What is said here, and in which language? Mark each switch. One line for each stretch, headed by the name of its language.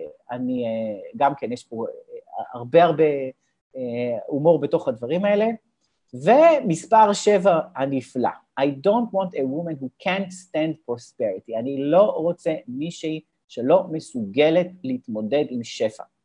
Hebrew: אני גם כן, יש פה הרבה הומור בתוך הדברים האלה. ומספר שבע הנפלא.
English: I don't want a woman who can't stand prosperity.
Hebrew: אני לא רוצה מישהי שלא מסוגלת להתמודד עם שפע.